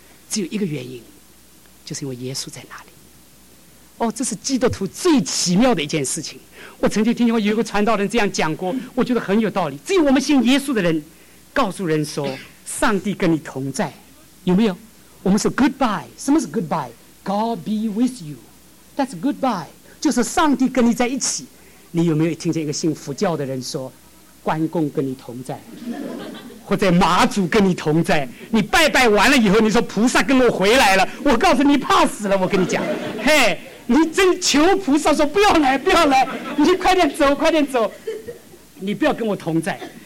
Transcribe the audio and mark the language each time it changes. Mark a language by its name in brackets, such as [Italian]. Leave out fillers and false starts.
[Chinese] 只有一个原因，就是因为耶稣在那里。哦，这是基督徒最奇妙的一件事情。我曾经听说有一个传道人这样讲过，我觉得很有道理。只有我们信耶稣的人告诉人说，上帝跟你同在，有没有？我们说 goodbye。什么是 goodbye？ [English] God be with you， that's goodbye， [Chinese] 就是上帝跟你在一起。你有没有听见一个信佛教的人说，关公跟你同在，或者马祖跟你同在？你拜拜完了以后，你说菩萨跟我回来了，我告诉你怕死了。我跟你讲，嘿，你真求菩萨说不要来不要来，你快点走快点走，你不要跟我同在。